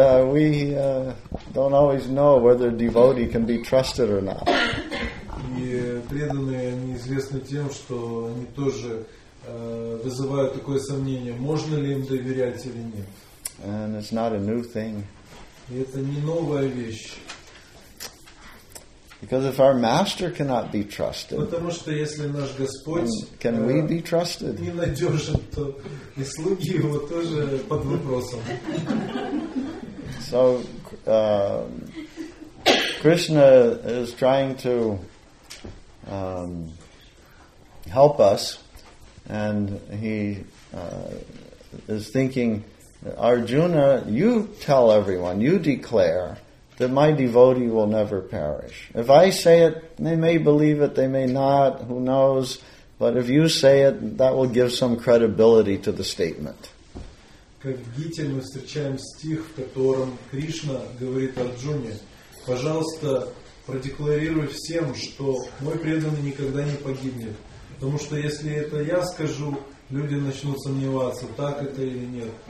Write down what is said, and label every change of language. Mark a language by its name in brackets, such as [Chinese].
[English] We don't always know whether a devotee can be trusted or not. [Russian] И преданные они известны тем, что они тоже вызывают такое сомнение, можно ли им доверять или нет. [English] And it's not a new thing. [Russian] И это не новая вещь. [English] Because if our master cannot be trusted, [Russian] потому что если наш Господь, [English] can we be trusted? [Russian] Ненадежен, то и слуги его тоже под вопросом. [English] So Krishna is trying to help us, and he is thinking, Arjuna, you tell everyone, you declare that my devotee will never perish. If I say it, they may believe it, they may not, who knows, but if you say it, that will give some credibility to the statement. [Russian] Как в Гите мы встречаем стих, в котором Кришна говорит Арджуне, пожалуйста, продекларируй всем, что мой преданный никогда не погибнет. Потому что если это я скажу, люди начнут сомневаться, так это или нет.